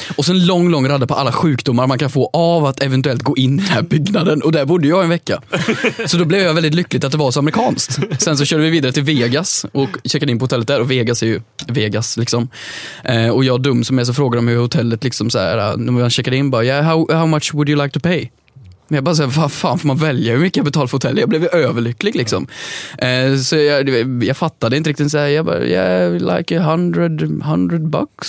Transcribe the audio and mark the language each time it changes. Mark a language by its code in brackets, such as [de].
[sv] Och så en lång radda på alla sjukdomar man kan få av att eventuellt gå in i den här byggnaden, och där bodde jag en vecka. Så då blev jag väldigt lycklig att det var så amerikanskt. Sen så körde vi vidare till Vegas och checkade in på hotellet där. Och Vegas är ju Vegas liksom. Och jag dum som är så frågade om hur hotellet liksom så här. När man checkade in bara, [en] yeah, how much would you like to pay? [sv] Men jag bara såhär, vad fan får man välja hur mycket jag betalar för hotellet? Jag blev överlycklig liksom. Så jag fattade inte riktigt. Så här, jag bara, [en] yeah, like $100.